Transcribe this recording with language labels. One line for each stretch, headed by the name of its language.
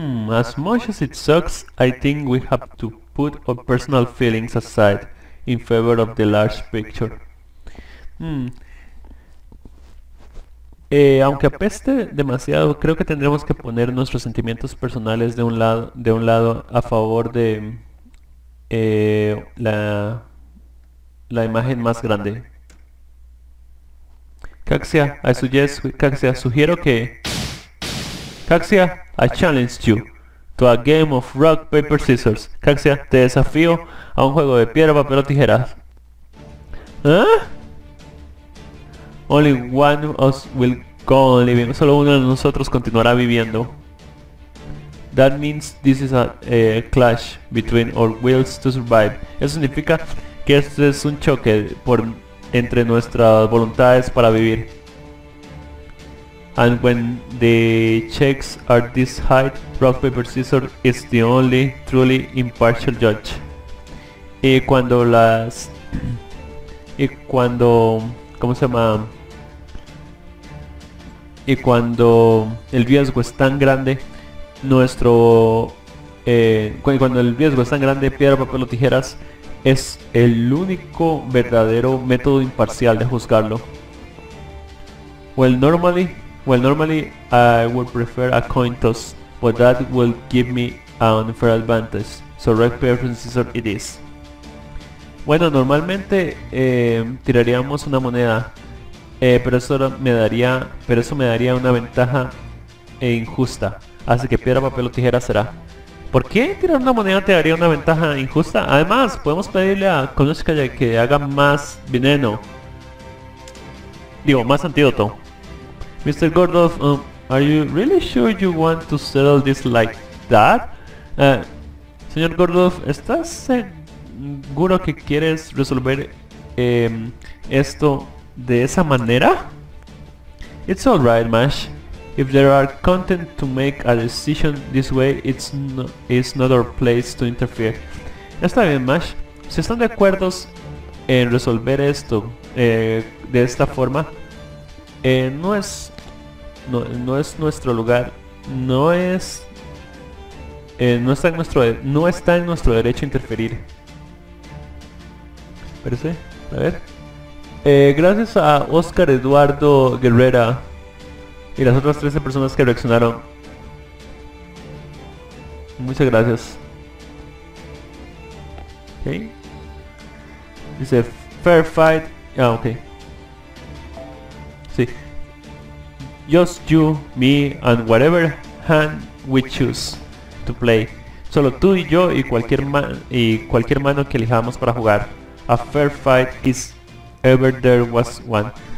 English: As much as it sucks, I think we have to put our personal feelings aside in favor of the large picture.
Spanish: Aunque apeste demasiado, creo que tendremos que poner nuestros sentimientos personales de un lado a favor de la imagen más grande.
English: Caxia, I challenge you to a game of rock, paper, scissors.
Spanish: Caxia, te desafío a un juego de piedra, papel o tijeras.
English: ¿Ah? Only one of us will go on living.
Spanish: Solo uno de nosotros continuará viviendo.
English: That means this is a clash between our wills to survive.
Spanish: Eso significa que esto es un choque por entre nuestras voluntades para vivir.
English: And when the checks are this high, rock, paper, scissors is the only truly impartial judge.
Spanish: Y cuando el riesgo es tan grande, cuando el riesgo es tan grande, piedra, papel o tijeras es el único verdadero método imparcial de juzgarlo.
English: Well, normally I would prefer a coin toss, but that will give me an unfair advantage. So rock, paper, scissors it is.
Spanish: Bueno, normalmente tiraríamos una moneda. Pero eso me daría una ventaja injusta. Así que piedra, papel o tijera será. ¿Por qué tirar una moneda te daría una ventaja injusta? Además, podemos pedirle a Konoshikaya que haga más veneno. Digo, más antídoto. Mr.
English: Gordov, are you really sure you want to settle this like that?
Spanish: Señor Gordov, ¿estás seguro que quieres resolver esto de esa manera?
English: It's all right, Mash. If there are content to make a decision this way, it's not our place to interfere.
Spanish: Está bien, Mash. Si están de acuerdo en resolver esto de esta forma, no está en nuestro derecho a interferir. Espérese, a ver. Gracias a Oscar Eduardo Guerrera y las otras 13 personas que reaccionaron. Muchas gracias. Ok. Dice
English: fair fight.
Spanish: Ah, ok. Sí.
English: Just you, me and whatever hand we choose to play.
Spanish: Solo tú y yo y cualquier mano que elijamos para jugar.
English: A fair fight is ever there was one.